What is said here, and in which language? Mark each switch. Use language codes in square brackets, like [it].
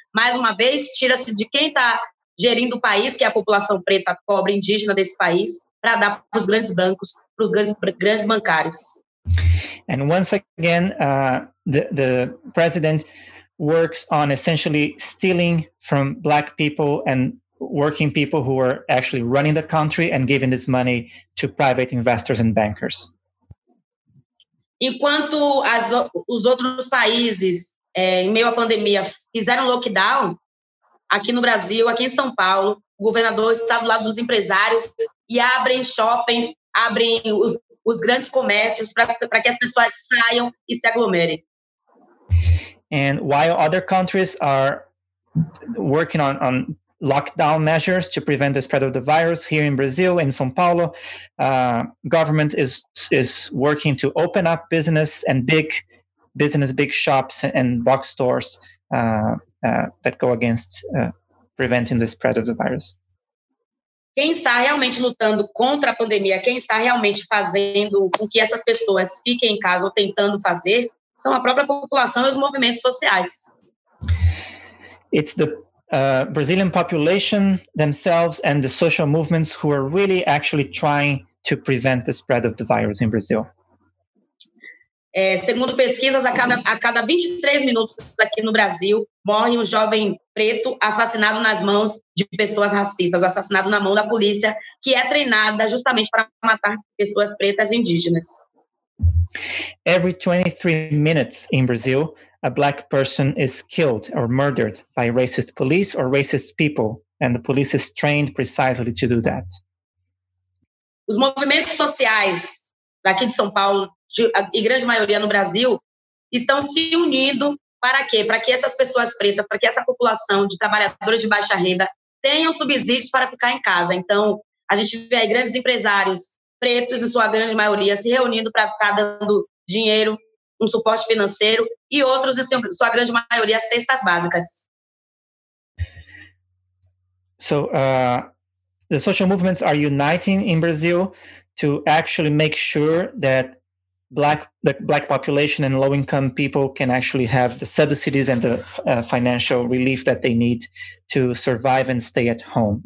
[pt] Mais uma vez, tira-se de quem está gerindo o país, que é a população preta, pobre, indígena desse país, para dar para os grandes bancos, para os grandes bancários. [en] And once again, the president works on essentially stealing from black people and working people who are actually running the country and giving this money to private investors and bankers. [pt] Enquanto os outros países, em meio à pandemia, fizeram lockdown, aqui no Brasil, aqui em São Paulo, o governador está do lado dos empresários e abrem shoppings, abrem os grandes comércios para que as pessoas saiam e se aglomerem. [en] And while other countries are working on lockdown measures to prevent the spread of the virus, here in Brazil, in São Paulo, government is working to open up business and big shops and box stores that go against preventing the spread of the virus. [pt] Quem está realmente lutando contra a pandemia, quem está realmente fazendo com que essas pessoas fiquem em casa ou tentando fazer, são a própria população e os movimentos sociais. [en] It's the Brazilian population themselves and the social movements who are really actually trying to prevent the spread of the virus in Brazil. [pt] Segundo pesquisas, a cada 23 minutos aqui no Brasil, morre um jovem preto assassinado nas mãos de pessoas racistas, assassinado na mão da polícia, que é treinada justamente para matar pessoas pretas e indígenas. [en] every 23 minutes in Brazil, a Black person is killed or murdered by racist police or racist people, and the police is trained precisely to do that. [pt] Os movimentos sociais daqui de São Paulo e grande maioria no Brasil estão se unindo para quê? Para que essas pessoas pretas, para que essa população de trabalhadores de baixa renda tenham subsídios para ficar em casa. Então, a gente vê aí grandes empresários pretos, em sua grande maioria, se reunindo para estar dando dinheiro, um suporte financeiro, e outros, em sua grande maioria, cestas básicas. [en] So, the social movements are uniting in Brazil to actually make sure that the black population and low-income people can actually have the subsidies and the financial relief that they need to survive and stay at home.